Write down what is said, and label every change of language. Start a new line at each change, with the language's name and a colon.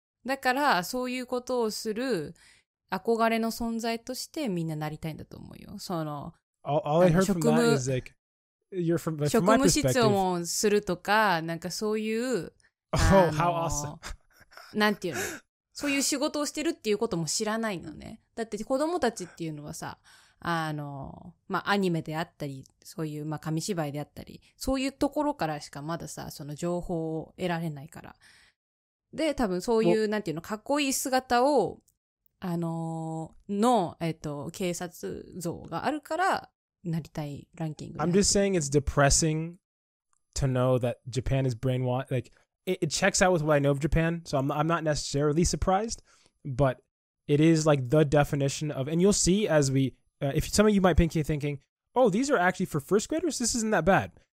Japanese: だから、そういうことをする憧れの存在としてみんななりたいんだと思うよ。その、
English: All I heard from that is like,You're from, but from
Japanese: 職務質問するとか、なんかそういう、
English: Oh, how awesome.
Japanese: なんていうの、そういう仕事をしてるっていうことも知らないのね。だって子供たちっていうのはさ、まあ、アニメであったり、そういう、まあ、紙芝居であったり、そういうところからしかまださ、その情報を得られないから。で、多分そういう、なんていうの、かっこいい姿を、の、警察像があるから、なりたいランキング。
English: I'm just saying it's depressing to know that Japan is brainwashed. Like, it checks out with what I know of Japan, so I'm not necessarily surprised, but it is like the definition of, and you'll see as we, if some of you might be thinking, oh, these are actually for first graders? This isn't that bad.